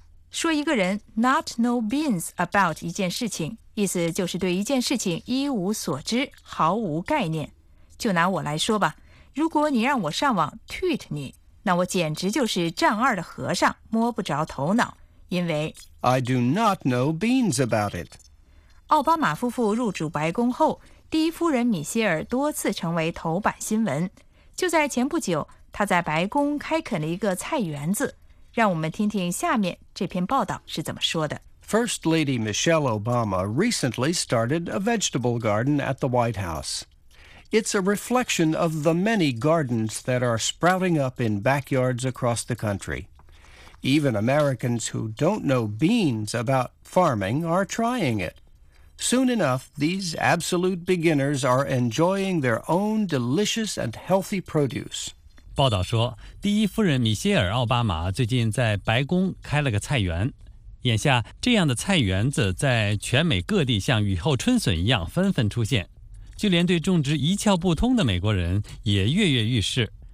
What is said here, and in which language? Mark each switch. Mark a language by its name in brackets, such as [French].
[Chinese] 说一个人 [English] not know beans [Chinese] about 一件事情，意思就是对一件事情一无所知，毫无概念。就拿我来说吧，如果你让我上网 tweet 你，那我简直就是丈二的和尚，摸不着头脑，因为 [English] I do not know beans about it. [Chinese] 奥巴马夫妇入主白宫后，第一夫人米歇尔多次成为头版新闻。就在前不久，她在白宫开垦了一个菜园子。让我们听听下面这篇报道是怎么说的。 [English] First Lady Michelle Obama recently started a vegetable garden at the White House. It's a reflection of the many gardens that are sprouting up in backyards across the country. Even Americans who don't know beans about farming are trying it. Soon enough, these absolute beginners are enjoying their own delicious and healthy produce. [Chinese] 报道说，第一夫人米歇尔·奥巴马最近在白宫开了个菜园。眼下，这样的菜园子在全美各地像雨后春笋一样纷纷出现。就连对种植一窍不通的美国人也跃跃欲试。